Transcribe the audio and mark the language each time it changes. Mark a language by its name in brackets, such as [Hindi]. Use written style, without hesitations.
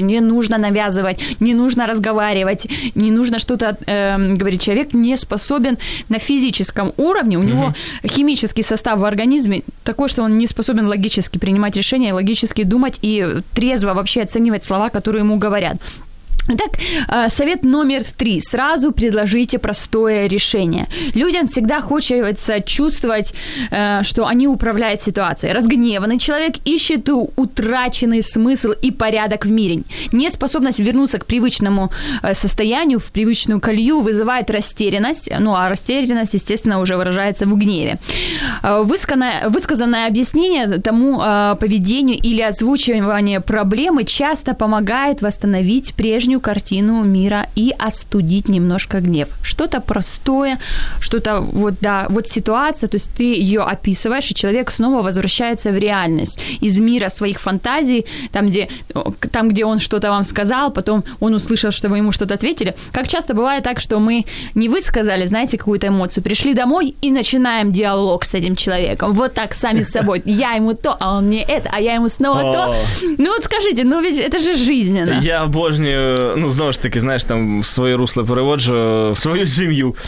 [Ukrainian] Не потрібно нав'язувати, не потрібно розмовляти, не потрібно щось говорити. Чоловік не способен на фізичному рівні. У нього хімічний состав в організмі такий, що він не способен логічно [Russian] принимать решения, логически думать и трезво вообще оценивать слова, которые ему говорят. Итак, совет номер три. Сразу предложите простое решение. Людям всегда хочется чувствовать, что они управляют ситуацией. Разгневанный человек ищет утраченный смысл и порядок в мире. Неспособность вернуться к привычному состоянию, в привычную колею, вызывает растерянность. Ну, а растерянность, естественно, уже выражается в гневе. Высказанное объяснение тому поведению или озвучивание проблемы часто помогает восстановить прежнюю картину мира и остудить немножко гнев. Что-то простое, что-то вот, да, вот ситуация, то есть ты ее описываешь, и человек снова возвращается в реальность из мира своих фантазий, там, где он что-то вам сказал, потом он услышал, что вы ему что-то ответили. Как часто бывает так, что мы не высказали, знаете, какую-то эмоцию, пришли домой и начинаем диалог с этим человеком, вот так, сами с собой. Я ему то, а он мне это, а я ему снова то. Ну вот скажите, ну ведь это же жизненно. [Ukrainian] Я обожнюю. Ну, знову ж таки, знаєш, там в своє русло переводжу, в свою сім'ю.